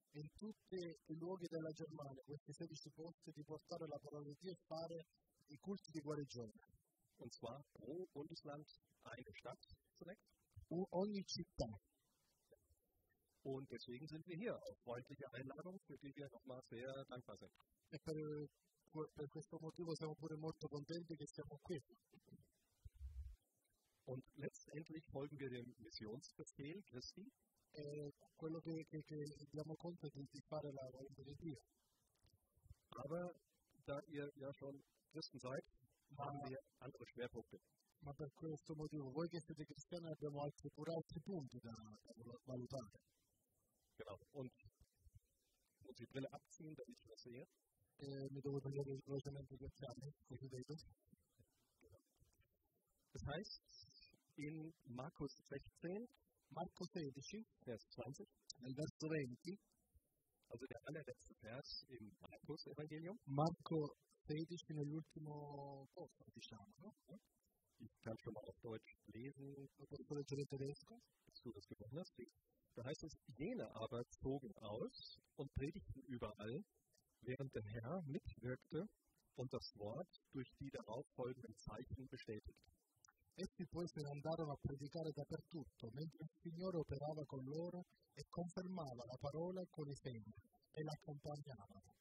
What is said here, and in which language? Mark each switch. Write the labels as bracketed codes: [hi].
[it] In tutti i luoghi della Germania, questi 16 posti di portare la parola di Dio e fare i culti di guarigione. [de] Und zwar pro Bundesland eine Stadt zunächst. [it] Ogni città. [de] Und deswegen sind wir hier, auf freundliche Einladung, für die wir nochmal sehr dankbar sind. [it] E per questo motivo siamo pure molto contenti che siamo qui. [de] Und letztendlich folgen wir dem Missionsbefehl Christi. [it] Quello che diamo conto è di fare la volontà di Dio. [de] Aber da ihr ja schon Christen seid, haben wir andere Schwerpunkte. [it] Ma per questo motivo, voi che siete cristiani, abbiamo altri punti da valutare. [de] Genau, und muss die Brille abziehen, damit ich das sehe. [it] Mi devo tagliare il velocemente gli occhiali, così vedo. [de] Das heißt, in Markus 16, [it] Marco 16, [de] Vers 20, [it] nel verso 20, [de] also der allerletzte Vers im Markus Evangelium, [it] Marco 16, nell'ultimo posto, diciamo, no? [de] Ich kann schon mal auf Deutsch lesen, [it] posso leggere in tedesco, [de] dass du das gewonnen hast. Da heißt es, jene aber zogen aus und predigten überall, während der Herr mitwirkte und das Wort durch die darauf folgenden Zeichen bestätigt. [it] Essi poi se ne andarono a predicare dappertutto, mentre il Signore operava con loro e confermava la parola con i segni e l'accompagnava.